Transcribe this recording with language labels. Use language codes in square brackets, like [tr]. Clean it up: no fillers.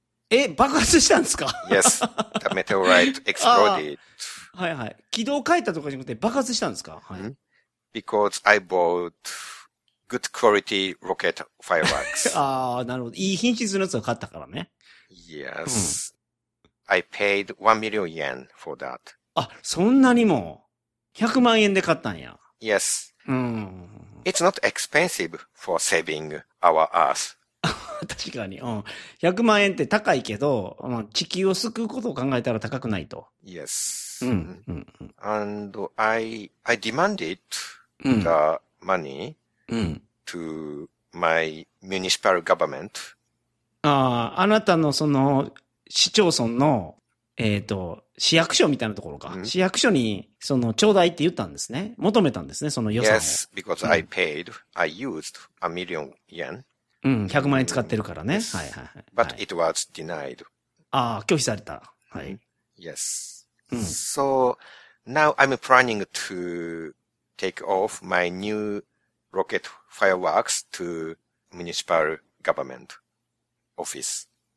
[ja] え、爆発したんですか？ [en] Yes. The meteorite exploded. [ja] はいはい。軌道を変えたとかじゃなくて爆発したんですか？はい。 [en] Because I bought. Good quality rocket fireworks. [ja] ああ、なるほど。いい品質のやつを買ったからね。 [en] Yes.、うん、I paid 1 million yen for that. [ja] あ、そんなにも ?100 万円で買ったんや。 [en] Yes.、 [ja] うん、 [en] It's not expensive for saving our earth. [ja] 確かに、うん。 100万円って高いけど、地球を救うことを考えたら高くないと。 [en] Yes.、 [ja] うん、 [en] And I demanded the money.、 [ja] うんうん、 [en] to my municipal government. [ja] ああ、あなたのその市町村の、市役所みたいなところか。市役所に、その、ちょうだいって言ったんですね。求めたんですね、その予算を。 [en] Yes, because I paid,、うん、I used a million yen. [ja] うん、100万円使ってるからね。 Yes. はいはいはい。 [en] But it was denied. [ja] ああ、拒否された。はい。 [en] Yes.、うん、so, now I'm planning to take off my newrocket fireworks to municipal government office.